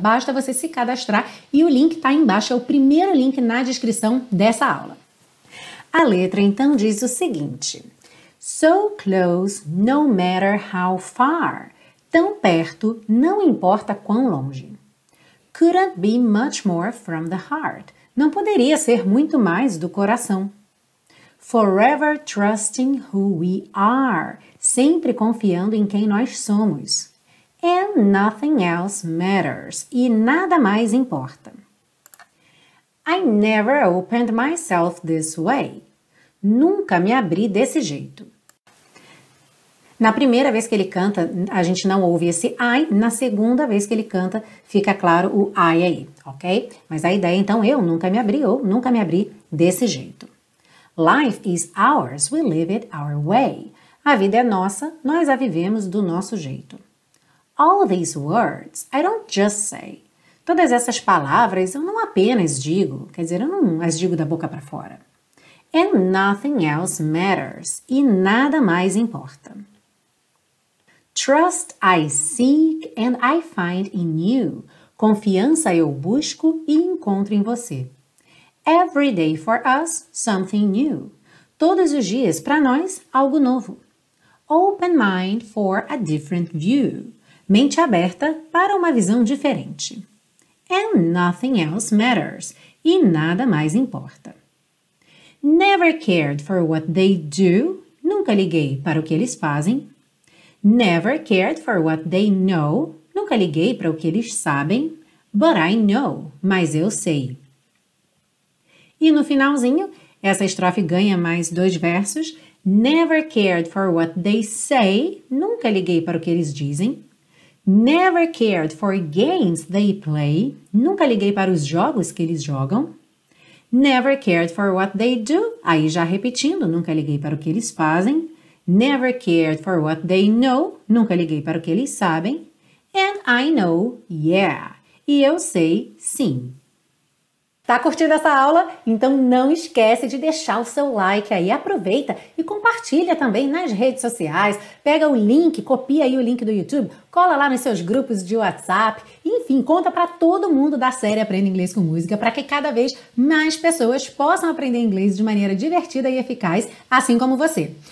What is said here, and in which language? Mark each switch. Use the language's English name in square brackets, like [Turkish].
[Portuguese] Basta você se cadastrar e o link está aí embaixo, é o primeiro link na descrição dessa aula. A letra então diz o seguinte: [English] So close, no matter how far. [Portuguese] Tão perto, não importa quão longe. [English] Couldn't be much more from the heart. [Portuguese] Não poderia ser muito mais do coração. [English] Forever trusting who we are. [Portuguese] Sempre confiando em quem nós somos. [English] And nothing else matters. [Portuguese] E nada mais importa. [English] I never opened myself this way. [Portuguese] Nunca me abri desse jeito. Na primeira vez que ele canta, a gente não ouve esse I. Na segunda vez que ele canta, fica claro o I aí, ok? Mas a ideia, então, eu nunca me abri ou nunca me abri desse jeito. [English] Life is ours, we live it our way. [Portuguese] A vida é nossa, nós a vivemos do nosso jeito. [English] All these words, I don't just say. [Portuguese] Todas essas palavras, eu não apenas digo, quer dizer, eu não as digo da boca para fora. [English] And nothing else matters, [Portuguese] e nada mais importa. [English] Trust I seek and I find in you. [Portuguese] Confiança eu busco e encontro em você. [English] Every day for us, something new. [Portuguese] Todos os dias, para nós, algo novo. [English] Open mind for a different view. [Portuguese] Mente aberta para uma visão diferente. [English] And nothing else matters. [Portuguese] E nada mais importa. [English] Never cared for what they do. [Portuguese] Nunca liguei para o que eles fazem. [English] Never cared for what they know. [Portuguese] Nunca liguei para o que eles sabem. [English] But I know. [Portuguese] Mas eu sei. E no finalzinho, essa estrofe ganha mais dois versos. [English] Never cared for what they say. [Portuguese] Nunca liguei para o que eles dizem. [English] Never cared for games they play. [Portuguese] Nunca liguei para os jogos que eles jogam. [English] Never cared for what they do. [Portuguese] Aí já repetindo, nunca liguei para o que eles fazem. [English] Never cared for what they know. [Portuguese] Nunca liguei para o que eles sabem. [English] And I know, yeah. [Portuguese] E eu sei, sim. Tá curtindo essa aula? Então não esquece de deixar o seu like aí, aproveita e compartilha também nas redes sociais, pega o link, copia aí o link do YouTube, cola lá nos seus grupos de WhatsApp, enfim, conta para todo mundo da série Aprenda Inglês com Música, para que cada vez mais pessoas possam aprender inglês de maneira divertida e eficaz, assim como você.